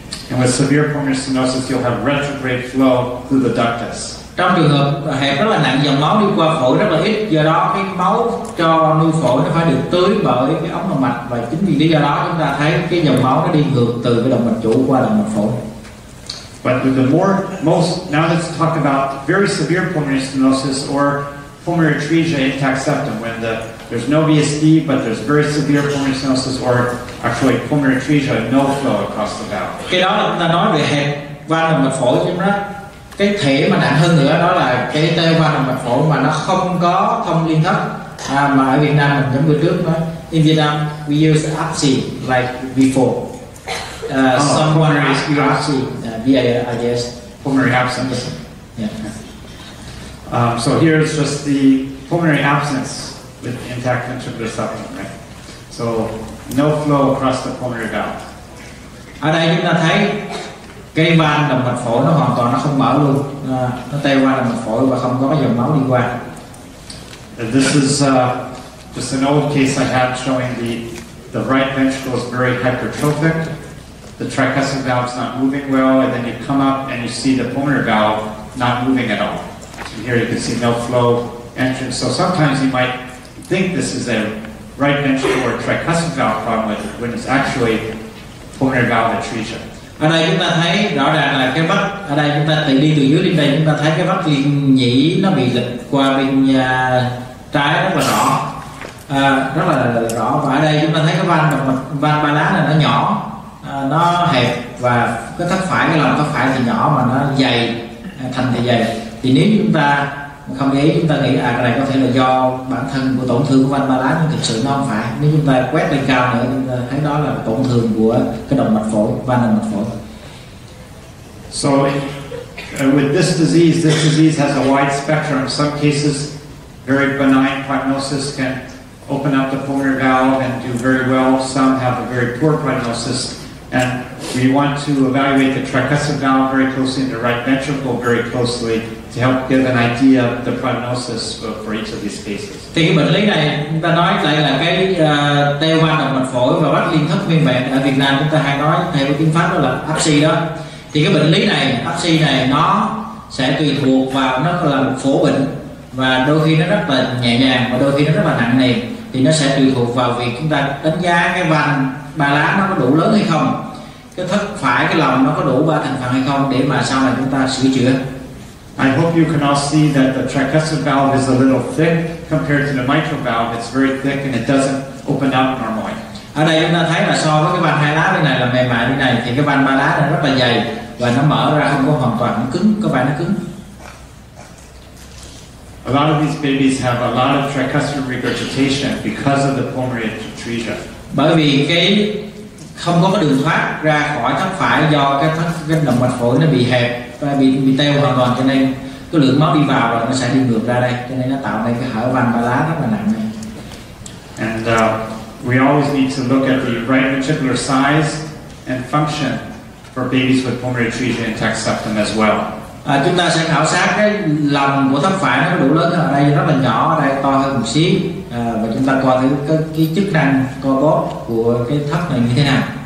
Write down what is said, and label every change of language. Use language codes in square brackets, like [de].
[en] And with severe pulmonary stenosis, you'll have retrograde flow through the ductus. [vi] Trong trường hợp hẹp rất là nặng, dòng máu đi qua phổi rất là ít. Do đó cái máu cho nuôi phổi nó phải được tưới bởi cái ống động mạch. Và chính vì lý do đó chúng ta thấy cái dòng máu nó đi ngược từ cái động mạch chủ qua động mạch phổi. [en] But with the more, most, now let's talk about very severe pulmonary stenosis or pulmonary atresia intact septum, when there's no VSD but there's very severe pulmonary stenosis or actually pulmonary atresia, no flow across the valve. [vi] Cái đó là chúng ta nói về hẹp van động mạch phổi chứ đó. Cái thể mà nặng hơn nữa đó là cái tê van động mạch phổi mà nó không có thông liên thất. Mà ở Việt Nam mình giống như trước đó. [en] In Vietnam, we use APSI like before. Someone is VSD. VIAGS. Pulmonary absence. Yeah. So here's just the pulmonary absence with intact ventricular septum, right? So no flow across the pulmonary valve. [vi] Ở đây chúng ta thấy cái van động mạch phổi nó hoàn toàn nó không mở luôn. Nó tê van động mạch phổi và không có dòng máu đi qua. [en] This is just an old case I had showing the right ventricle is very hypertrophic. The tricuspid valve's not moving well, and then you come up and you see the pulmonary valve not moving at all. So here you can see no flow entrance. So sometimes you might think this is a right ventricle or tricuspid valve problem when it's actually pulmonary valve atresia. [vi] Ở đây chúng ta thấy rõ ràng là cái vách ở đây chúng ta từ đi từ dưới lên đây chúng ta thấy cái vách liên nhĩ nó bị lệch qua bên trái rất là rõ. Rất là rõ và ở đây chúng ta thấy cái van động mạch van ba lá này nó nhỏ. Nó hẹp và cái thất phải, cái lòng thất phải thì nhỏ mà nó dày, thành thì dày. Thì nếu chúng ta không để ý, chúng ta nghĩ cái này có thể là do bản thân của tổn thương của van ba lá, nhưng thực sự nó không phải. Nếu chúng ta quét lên cao nữa, chúng ta thấy đó là tổn thương của cái động mạch phổi, van động mạch phổi. [en] So, with this disease has a wide spectrum. Some cases, very benign prognosis can open up the pulmonary valve and do very well. Some have a very poor prognosis. And we want to evaluate the tricuspid valve very closely and the right ventricle very closely to help give an idea of the prognosis for each of these cases. [vi] Thì cái bệnh lý này chúng ta nói lại là cái tê van động mạch phổi và vách liên thất nguyên vẹn. Ở Việt Nam chúng ta hay nói theo tiếng Pháp đó là APSI đó. Thì cái bệnh lý này, APSI này nó sẽ tùy thuộc vào nó là một phổ bệnh và đôi khi nó rất là nhẹ nhàng và đôi khi nó rất là nặng nề. Thì nó sẽ tùy thuộc vào việc chúng ta đánh giá cái van ba lá nó có đủ lớn hay không, cái thất phải, cái lòng nó có đủ ba thành phần hay không để mà sau này chúng ta sửa chữa. [en] I hope you can all see that the tricuspid valve is a little thick compared to the mitral valve, it's very thick and it doesn't open up normally. [vi] Ở đây chúng ta thấy là so với cái van hai lá bên này là mềm mại bên này thì cái van ba lá này rất là dày và nó mở ra không có hoàn toàn, nó cứng, có vẻ nó cứng. [en] A lot of these babies have a lot of tricuspid regurgitation because of the pulmonary atresia. [vi] Bởi vì cái không có cái đường thoát ra khỏi thất phải do cái động mạch phổi nó bị hẹp và bị teo hoàn toàn, cho nên cái lượng máu đi vào và nó sẽ đi ngược ra đây, cho nên nó tạo nên cái hở van ba lá rất là nặng này. [en] And we always need to look at the right ventricular size and function for babies with pulmonary atresia and tract septum as well. [vi] À, chúng ta sẽ khảo sát cái lòng của thất phải nó có đủ lớn ở đây rất là nhỏ, ở đây to hơn một xíu, và chúng ta coi thử cái chức năng co bóp của cái thất này như thế nào.